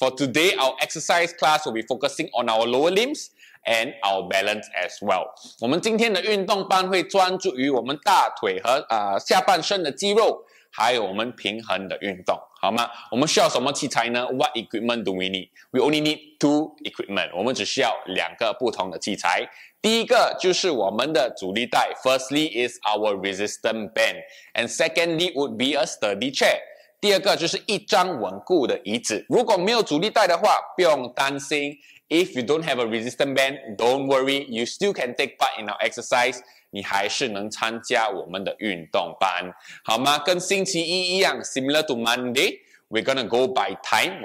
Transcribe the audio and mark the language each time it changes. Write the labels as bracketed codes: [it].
[en] For today, our exercise class will be focusing on our lower limbs and our balance as well. [zh] 我们今天的运动班会专注于我们大腿和下半身的肌肉，还有我们平衡的运动，好吗？我们需要什么器材呢 [en] ？What equipment do we need? We only need two equipment. [zh] 我们只需要两个不同的器材。第一个就是我们的阻力带 [en] ，firstly is our resistance band, and secondly would be a sturdy chair. [zh] 第二个就是一张稳固的椅子。如果没有阻力带的话，不用担心。 [en] If you don't have a resistance band, don't worry, you still can take part in our exercise. [zh] 你还是能参加我们的运动班，好吗？跟星期一一样 [en] ，similar to Monday, we're gonna go by time.